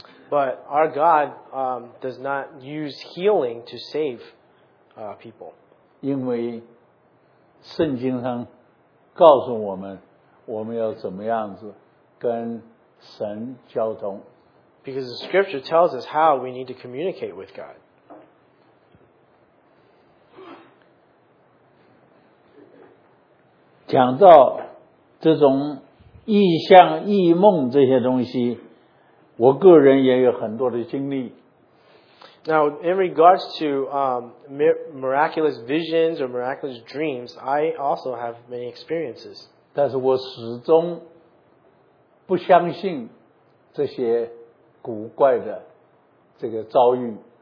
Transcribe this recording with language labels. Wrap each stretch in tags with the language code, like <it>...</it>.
<en>But our God does not use healing to save people.</en> <zh>因为圣经上告诉我们，我们要怎么样子跟神交通。</zh> <en>Because the scripture tells us how we need to communicate with God.</en> <zh>讲到这种异象、异梦这些东西，我个人也有很多的经历。</zh> <en>Now, in regards to miraculous visions or miraculous dreams, I also have many experiences.</en> <zh>但是我始终不相信这些古怪的这个遭遇。</zh>